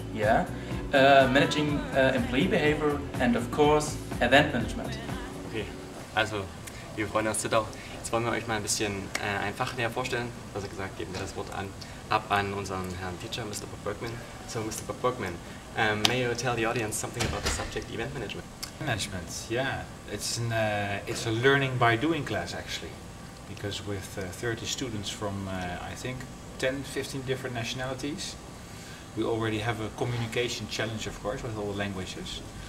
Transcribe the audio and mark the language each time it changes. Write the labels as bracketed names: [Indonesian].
[English] Yeah, managing employee behavior and of course event management. [German] Okay, also liebe Freunde aus Zittau, jetzt wollen wir euch mal ein bisschen ein Fach näher vorstellen. Also gesagt, geben wir das Wort an unseren Herrn Teacher, Mr. Bob Bergman. So, Mr. [English] Bob Bergman, may you tell the audience something about the subject event management? Management, yeah, it's a learning by doing class actually, because with 30 students from I think 10, 15 different nationalities. We already have a communication challenge, of course, with all the languages.